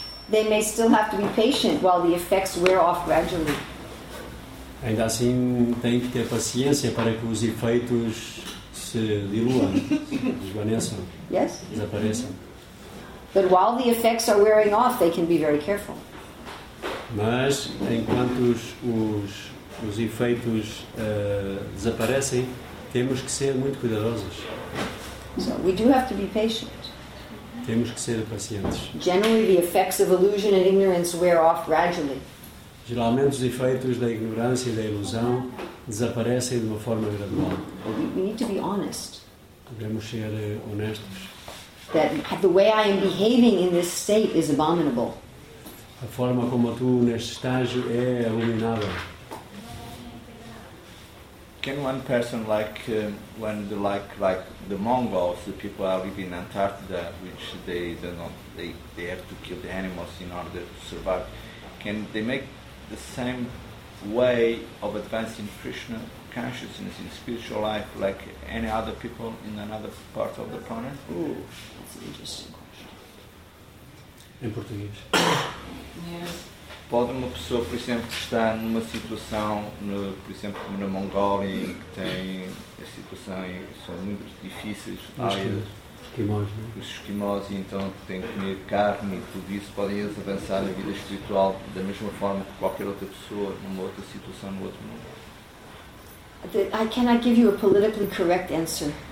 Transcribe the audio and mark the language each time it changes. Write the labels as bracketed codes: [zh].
[en] They may still have to be patient while the effects wear off gradually. [pt] Ainda assim, tem que ter paciência para que os efeitos se diluam, se desvaneçam, [en] yes? [pt] Desapareçam. [en] But while the effects are wearing off, they can be very careful. [pt] Mas enquanto os efeitos desaparecem, temos que ser muito cuidadosos. [en] So we do have to be patient. [pt] Temos que ser pacientes. [en] Generally, the effects of illusion and ignorance wear off gradually. [pt] Geralmente os efeitos da ignorância e da ilusão desaparecem de uma forma gradual. [en] We need to be honest. [pt] Devemos ser honestos. [en] That the way I am behaving in this state is abominable. [pt] A forma como tu neste estágio é abominável. [en] Can one person like the Mongols, the people are living in Antarctica, which they have to kill the animals in order to survive, can they make the same way of advancing Krishna consciousness in spiritual life like any other people in another part of the planet? Ooh, that's an interesting question. [pt] Em português. [en] Yes. [pt] Pode uma pessoa, por exemplo, que está numa situação, por exemplo, como na Mongólia, em que tem a situação e são muito difíceis, os esquimós, e então têm que comer carne e tudo isso, podem eles avançar na vida espiritual da mesma forma que qualquer outra pessoa numa outra situação, no outro mundo? [en] I cannot give you a politically correct answer.